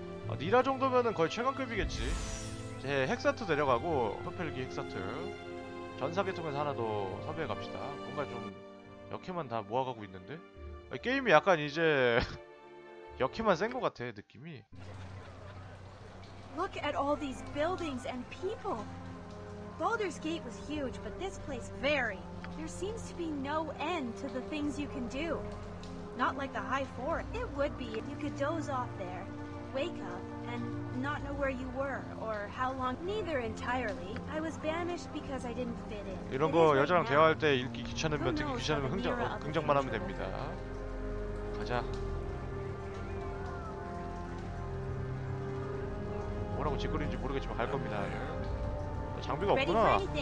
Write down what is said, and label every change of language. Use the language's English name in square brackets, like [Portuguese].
[Korean] 아, 니라 정도면은 거의 최강급이겠지. 제 핵사트 데려가고 흡혈기 핵사트 전사계 통해서 하나 더 섭외해 갑시다. 뭔가 좀 역해만 다 모아가고 있는데. 아, 게임이 약간 이제 역해만 센 것 같아 느낌이. [English] Look at all these buildings and people. Baldur's Gate was huge, but this place very. There seems to be no end to the things you can do. Not like the High Fort. It would be if you could doze off there. Wake up and not know where you were or how long. Neither entirely. I was banished because I didn't fit in. [Korean] 이런 거 여자랑 대화할 때 읽기 귀찮으면 듣기 귀찮으면 긍정만 하면 됩니다. 가자. 뭐라고 짓거리는지 모르겠지만 갈 겁니다. 장비가 없구나.